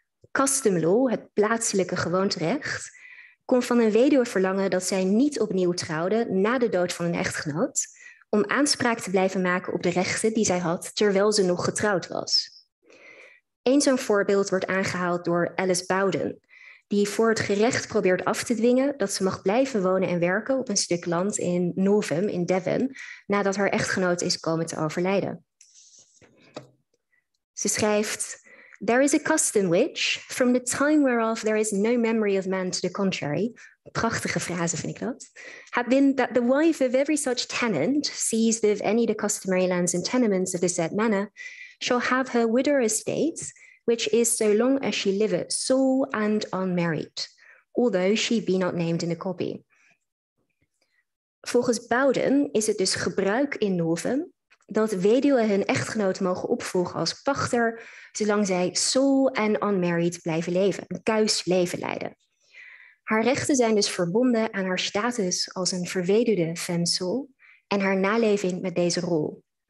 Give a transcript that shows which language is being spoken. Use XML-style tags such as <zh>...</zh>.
<nl>Custom law, het plaatselijke gewoonterecht, kon van een weduwe verlangen dat zij niet opnieuw trouwde na de dood van een echtgenoot, om aanspraak te blijven maken op de rechten die zij had terwijl ze nog getrouwd was. Eén zo'n voorbeeld wordt aangehaald door Alice Bowden, die voor het gerecht probeert af te dwingen dat ze mag blijven wonen en werken op een stuk land in Northam in Devon, nadat haar echtgenoot is komen te overlijden. Ze schrijft:</nl> <en>"There is a custom which, from the time whereof there is no memory of man to the contrary,"</en> <nl>prachtige frase vind ik dat,</nl> <en>"had been that the wife of every such tenant, seized of any the customary lands and tenements of the said manor, shall have her widow estate, which is so long as she liveth sole and unmarried, although she be not named in the copy."</en> <nl>Volgens Bowden is het dus gebruik in Northam dat weduwen hun echtgenoot mogen opvolgen als pachter, zolang zij</nl> <en>sole and unmarried</en> <nl>blijven leven, een kuis leven leiden. Haar rechten zijn dus verbonden aan haar status als een verweduwde femme soul en haar naleving met deze rol.</nl>